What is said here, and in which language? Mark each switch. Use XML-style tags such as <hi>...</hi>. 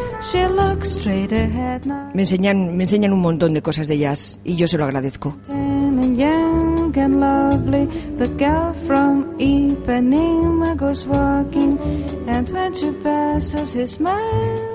<en>She looks straight ahead now.</en> <es>Me enseñan un montón de cosas de jazz y yo se lo agradezco.</es> <en>Young and lovely, the girl from Ipanema goes walking, and when she passes, he smiles.</en>